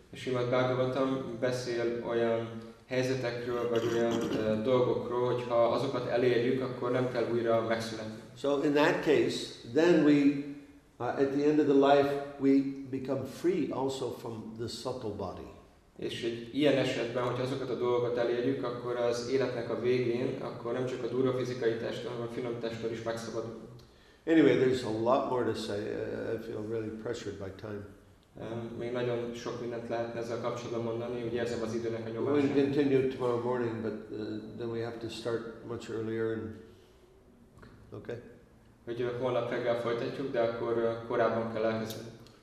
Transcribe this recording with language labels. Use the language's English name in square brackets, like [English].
[Hungarian] Srimad Bhagavatam beszél olyan helyzetekről vagy olyan dolgokról, hogyha azokat elérjük, akkor nem kell újra megszületni. [English] So in that case, then we, at the end of the life, we become free also from the subtle body. [Hungarian] És egy ilyen esetben, hogyha azokat a dolgokat elérjük, akkor az életnek a végén, akkor nem csak a durva fizikai testtől, hanem a finom testtől is megszabadul. [English] Anyway, there's a lot more to say. I feel really pressured by time. [Hungarian] Még nagyon sok mindent lehetne ezzel kapcsolatban mondani, úgy érzem az időnek a nyomását. [English] We'll continue tomorrow morning, but then we have to start much earlier. And okay. [Hungarian] Hogy holnap reggel folytatjuk, de akkor korábban kell elkezdeni.